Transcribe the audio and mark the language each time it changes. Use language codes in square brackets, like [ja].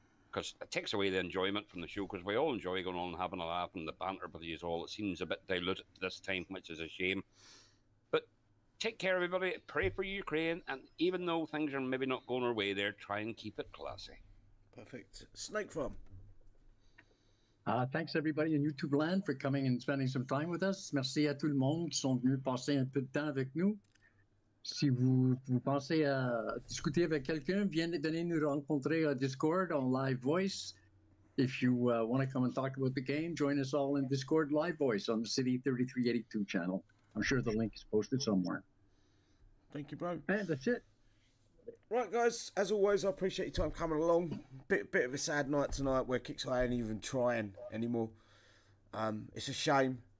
[en] Because it takes away the enjoyment from the show. Because we all enjoy going on and having a laugh and the banter with you all. It seems a bit diluted this time, which is a shame. Take care, everybody. Pray for Ukraine. And even though things are maybe not going our way there, try and keep it classy. Perfect. Snake Farm. Thanks, everybody in YouTube land, for coming and spending some time with us. [fr] Merci à tout le monde qui sont venus passer un peu de temps avec nous. Si vous pensez à discuter avec quelqu'un, venez nous rencontrer à Discord on Live Voice. [en] If you want to come and talk about the game, join us all in Discord Live Voice on the City 3382 channel. I'm sure the link is posted somewhere. Thank you, bro. And that's it. Right, guys. As always, I appreciate your time coming along. Bit of a sad night tonight where Kixeye ain't even trying anymore. It's a shame.